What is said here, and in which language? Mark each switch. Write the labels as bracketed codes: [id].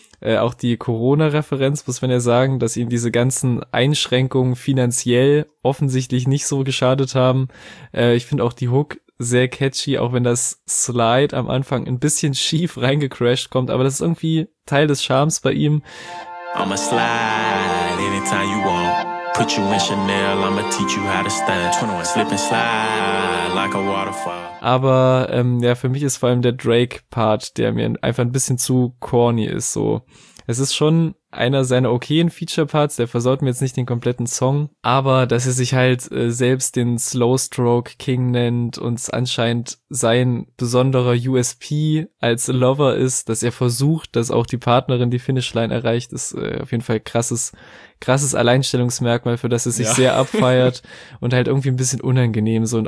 [de] Auch die Corona-Referenz, muss man ja sagen, dass ihm diese ganzen Einschränkungen finanziell offensichtlich nicht so geschadet haben. Ich finde auch die Hook sehr catchy, auch wenn das Slide am Anfang ein bisschen schief reingecrashed kommt, aber das ist irgendwie Teil des Charmes bei ihm. [en] I'ma slide anytime you want. Put you in Chanel, I'ma teach you how to stand. 21, slip and slide like a waterfall. [de] Aber ja, für mich ist vor allem der Drake-Part, der mir einfach ein bisschen zu corny ist. So, es ist schon einer seiner okayen Feature-Parts, der versaut mir jetzt nicht den kompletten Song, aber dass er sich halt selbst den Slow-Stroke-King nennt und es anscheinend sein besonderer USP als Lover ist, dass er versucht, dass auch die Partnerin die Finishline erreicht, ist auf jeden Fall krasses Alleinstellungsmerkmal, für das er sich sehr abfeiert und halt irgendwie ein bisschen unangenehm so.